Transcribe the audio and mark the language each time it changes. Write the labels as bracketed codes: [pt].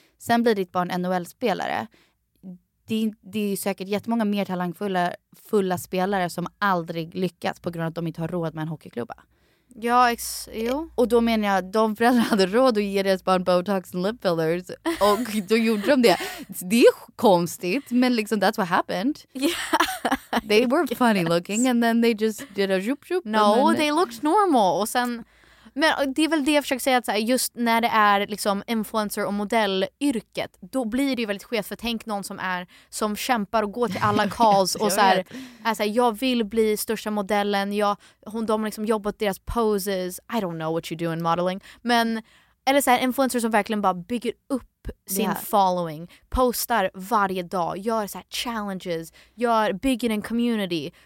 [sv] Sen blir ditt barn NHL-spelare. Det är ju säkert jättemånga mer talangfulla fulla spelare som aldrig lyckats på grund av att de inte har råd med en hockeyklubba. Ja, jo. Och då menar jag, de föräldrar hade råd att ge deras barn [en] Botox and lip fillers. [sv] Och då gjorde de det. Det är konstigt, men liksom [en] that's what happened. Yeah, they were funny looking and then they just did a zoop zoop. No, they looked normal. [sv] Och sen, men det är väl det jag försöker säga, att så här, just när det är liksom influencer och modellyrket, då blir det ju väldigt skevt. För tänk någon som är, som kämpar och går till alla calls och så här, jag vill bli största modellen, de har liksom jobbat deras poses, [en] I don't know what you do in modeling, [sv] men, eller så här, influencer som verkligen bara bygger upp sin following, postar varje dag, gör så här challenges, bygger en community.